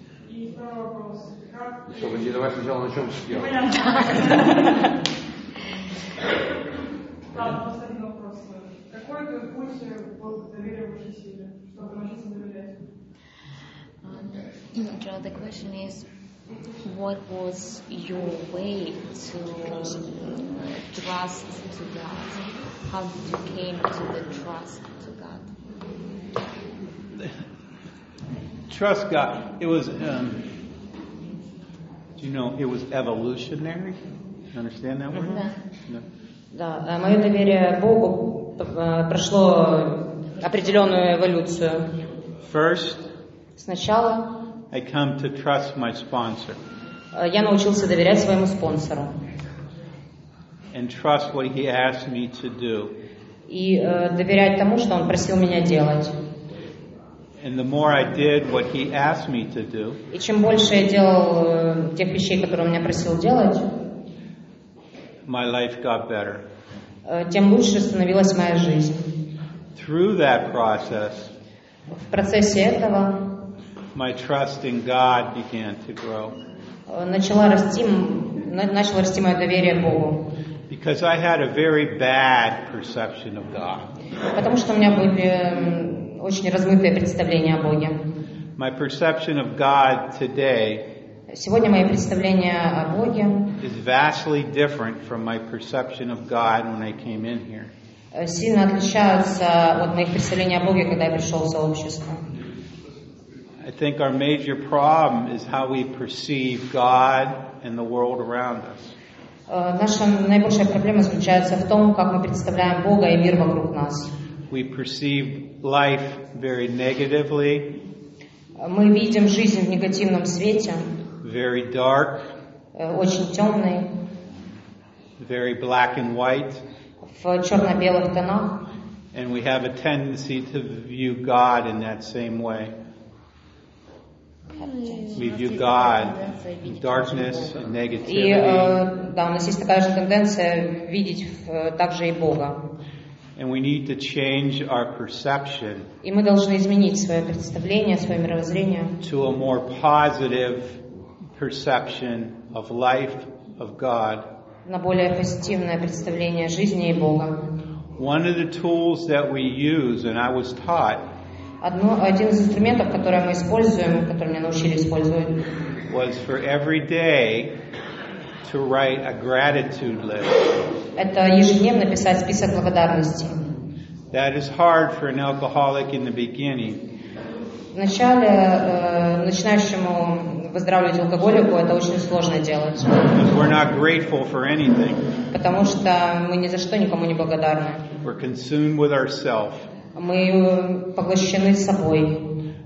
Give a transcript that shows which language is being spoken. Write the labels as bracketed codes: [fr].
[ru] Чтобы не давать сначала на чем сидел. Да, последний вопрос. Какой это путь вот доверия вашей силе, чтобы научиться доверять? [en] Joel, the question is, what was your way to trust to God? How did you came to the trust to God? Trust God. It was, do you know, it was evolutionary. You understand that word? [ru] Да. Да. Мое доверие Богу прошло определенную эволюцию. [en] First. [ru] Сначала [en] I come to trust my sponsor. [ru] Я научился доверять своему спонсору. [en] And trust what he asked me to do. [ru] И доверять тому, что он просил меня делать. [en] And the more I did what he asked me to do. [ru] И чем больше я делал тех вещей, которые он меня просил делать, [en] my life got better. [ru] Тем лучше становилась моя жизнь. [en] Through that process. [ru] В процессе этого [en] my trust in God began to grow. [ru] Начало расти мое доверие Богу. [en] Because I had a very bad perception of God. [ru] Потому что у меня были очень размытые представления о Боге. [en] My perception of God today. [ru] Сегодня мое представление о Боге [en] is vastly different from my perception of God when I came in here. [ru] Сильно отличается от моих представлений о Боге, когда я пришел в сообщество. [en] I think our major problem is how we perceive God and the world around us. [ru] Наша наибольшая проблема заключается в том, как мы представляем Бога и мир вокруг нас. [en] We perceive life very negatively. [ru] Мы видим жизнь в негативном свете. [en] Very dark. [ru] Очень темный. [en] Very black and white. [ru] В черно-белых тонах. [en] And we have a tendency to view God in that same way. We view God in darkness and negativity. [ru] И да, у нас есть такая же тенденция видеть также и Бога. [en] And we need to change our perception. [ru] И мы должны изменить свое представление, свое мировоззрение. [en] To a more positive perception of life of God. [ru] На более позитивное представление жизни и Бога. [en] One of the tools that we use, and I was taught. [ru] Один из инструментов, который мы используем, который меня научили использовать, это ежедневно писать список благодарности. [en] That is hard for an alcoholic in the beginning. [ru] Вначале начинающему выздоравливать алкоголику это очень сложно делать. [en] Because we're not grateful for anything. [ru] Потому что мы ни за что никому не благодарны. [en] We're consumed with ourselves. [ru] Мы поглощены собой.